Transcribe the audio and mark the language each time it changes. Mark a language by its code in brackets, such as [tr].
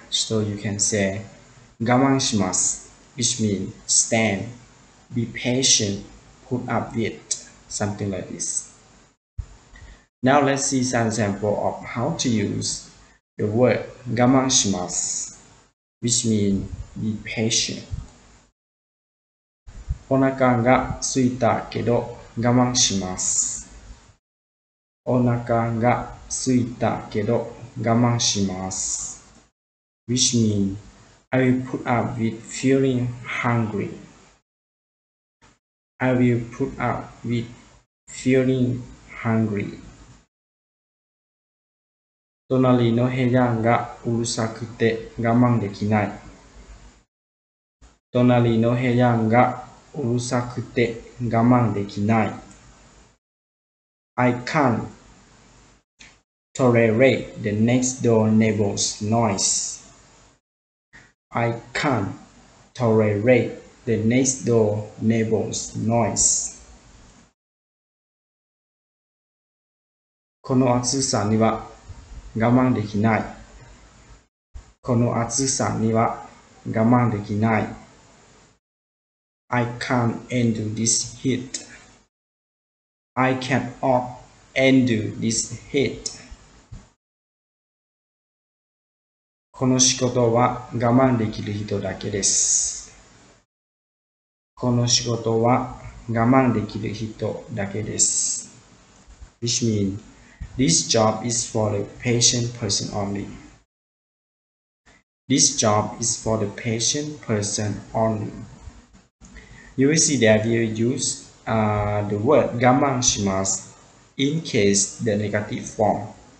[en] So you can say, "Gamanshimasu," which means stand, be patient, put up with something like this. Now let's see some example of how to use the word "Gamanshimasu," which means be patient. [ja] お腹が空いたけど我慢します。お腹が空いたけど我慢します [en] which means I will put up with feeling hungry. I will put up with feeling hungry. [ja] 隣の部屋がうるさくて我慢できない。隣の部屋がうるさくて我慢できない。 [en] I can't. Tolerate the next door neighbor's noise. I can't tolerate the next door neighbor's noise. [ja] この暑さには我慢できない。この暑さには我慢できない。 [en] I can't endure this heat. I cannot endure this heat. [ja] この仕事は我慢できる人だけです。この仕事は我慢できる人だけです。 [en] Which means, this job is for the patient person only. This job is for the patient person only. You will see that you use, the word 我慢します in case the negative form.